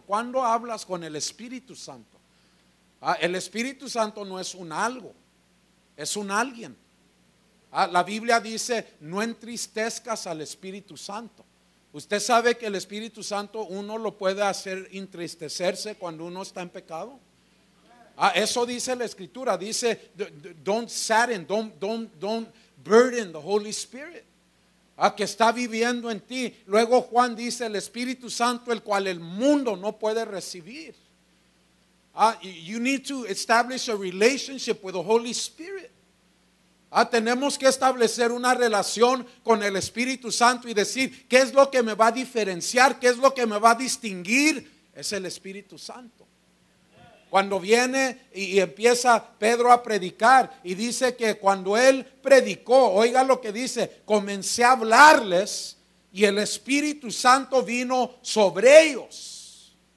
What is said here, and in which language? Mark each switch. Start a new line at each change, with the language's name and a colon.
Spanish: ¿Cuándo hablas con el Espíritu Santo? El Espíritu Santo no es un algo, es un alguien. La Biblia dice: no entristezcas al Espíritu Santo. Usted sabe que el Espíritu Santo, uno lo puede hacer entristecerse cuando uno está en pecado. Eso dice la Escritura. Dice:
English: don't sadden, don't burden the Holy Spirit.
Spanish: Que está viviendo en ti. Luego Juan dice el Espíritu Santo, el cual el mundo no puede recibir.
English: You need to establish a relationship with the Holy Spirit.
Spanish: Tenemos que establecer una relación con el Espíritu Santo y decir, ¿qué es lo que me va a diferenciar? ¿Qué es lo que me va a distinguir? Es el Espíritu Santo. Cuando viene y empieza Pedro a predicar, y dice que cuando él predicó, oiga lo que dice, comencé a hablarles y el Espíritu Santo vino sobre ellos.